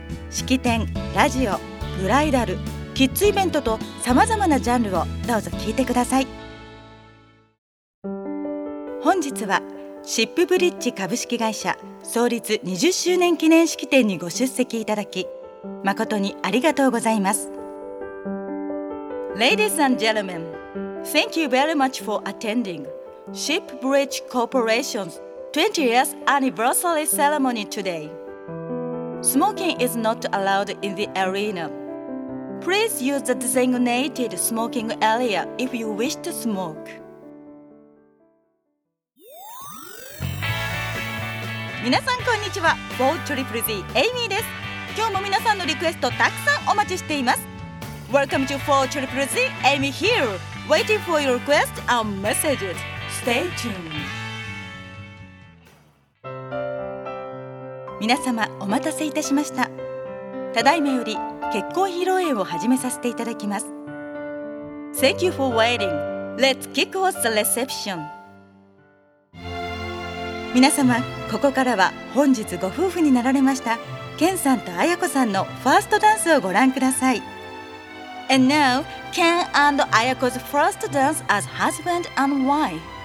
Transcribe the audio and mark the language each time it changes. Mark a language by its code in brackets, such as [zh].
[ja] 式典、ラジオ、ブライダル、キッズイベントと様々なジャンルをどうぞ聞いてください。本日はシップブリッジ株式会社創立20周年記念式典にご出席いただき誠にありがとうございます。 [en] Ladies and gentlemen, thank you very much for attending Shipbridge Corporation's 20th anniversary ceremony today. Smoking is not allowed in the arena. Please use the designated smoking area if you wish to smoke. [ja] 皆さんこんにちは。ボーチョリプリゼエイミーです。今日も皆さんのリクエストたくさんお待ちしています。 [en] Welcome to 4ZZZ, Amy here, waiting for your requests and messages. Stay tuned. [ja] 皆様お待たせいたしました。ただいまより結婚披露宴を始めさせていただきます。 [en] Thank you for waiting. Let's kick off the reception. [ja] 皆様、ここからは本日ご夫婦になられましたケンさんと彩子さんのファーストダンスをご覧ください。 [en] And now, Ken and Ayako's first dance as husband and wife.